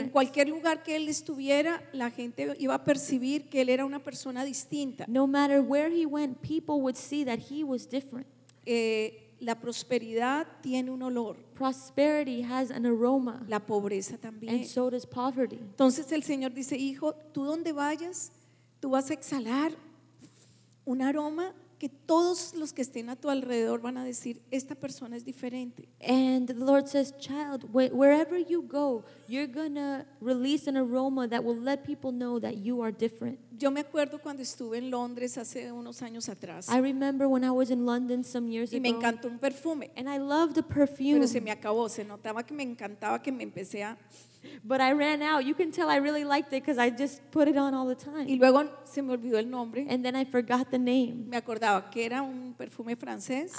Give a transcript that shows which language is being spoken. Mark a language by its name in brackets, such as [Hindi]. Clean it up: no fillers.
[Spanish] En cualquier lugar que él estuviera, la gente iba a percibir que él era una persona distinta. [English] No matter where he went, people would see that he was different. [Spanish] La prosperidad tiene un olor. [English] Prosperity has an aroma. [Spanish] La pobreza también. [English] And so does poverty. [Spanish] Entonces el Señor dice, hijo, tú donde vayas, tú vas a exhalar un aroma que todos los que estén a tu alrededor van a decir, esta persona es diferente. [English] And the Lord says, child, wherever you go, you're gonna release an aroma that will let people know that you are different. [Spanish] Yo me acuerdo cuando estuve en Londres hace unos años atrás. [English] I remember when I was in London some years ago. [Spanish] Y me encantó un perfume. [English] And I loved the perfume. [Spanish] Pero se me acabó, se notaba que me encantaba que me empecé a... [English] But I ran out. You can tell I really liked it because I just put it on all the time. [Spanish] Y luego se me olvidó el nombre. [English] And then I forgot the name. [Spanish] Me acordaba que era un perfume francés.